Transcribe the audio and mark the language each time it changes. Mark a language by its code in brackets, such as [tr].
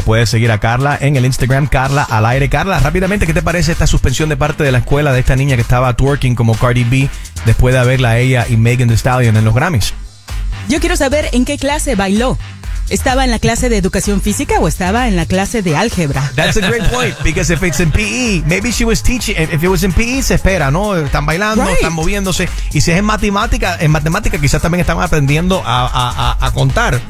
[es] Puedes seguir a Carla en el Instagram, Carla al aire. Carla, rápidamente, ¿qué te parece esta suspensión de parte de la escuela de esta niña que estaba twerking como Cardi B después de verla a ella y Megan Thee Stallion en los Grammys? Yo quiero saber en qué clase bailó. ¿Estaba en la clase de educación física o estaba en la clase de álgebra? [en] That's a great point, because if it's in PE, maybe she was teaching. If it was in PE, [es] se espera, ¿no? Están bailando, right. Están moviéndose. Y si es en matemática quizás también están aprendiendo a contar.